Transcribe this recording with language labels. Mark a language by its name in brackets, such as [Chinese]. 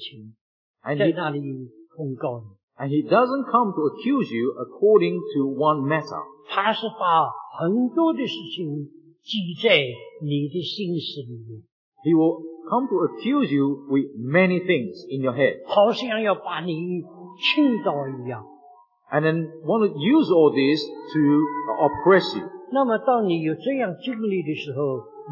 [Chinese] 他不是为着某一件事情在那里控告你, [English] and he doesn't come to accuse you according to one matter. [Chinese] 他是把很多的事情 [English] He will come to accuse you with many things in your head. [Chinese] 好像要把你倾倒一样, [English] and then want to use all this to oppress you. [Chinese] 那么当你有这样经历的时候,